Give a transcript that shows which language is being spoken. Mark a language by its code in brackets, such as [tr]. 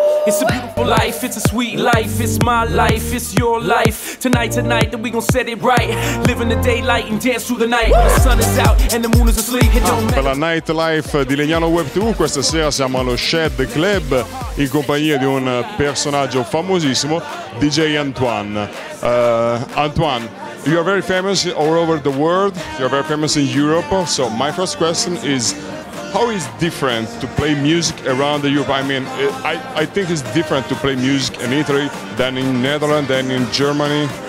[en] It's a sweet life, it's my life, it's your life. Tonight, tonight, then we gon' set it right. Live in the daylight and dance through the night. The sun is out and the moon is asleep. [it] Per la nightlife di Legnano Web TV, questa sera siamo allo Shed Club in compagnia di un personaggio famosissimo, DJ Antoine. [en] Antoine, you are very famous all over the world. You are very famous in Europe. So my first question is, how is different to play music around Europe? I mean, I think it's different to play music in Italy than in Netherlands, than in Germany.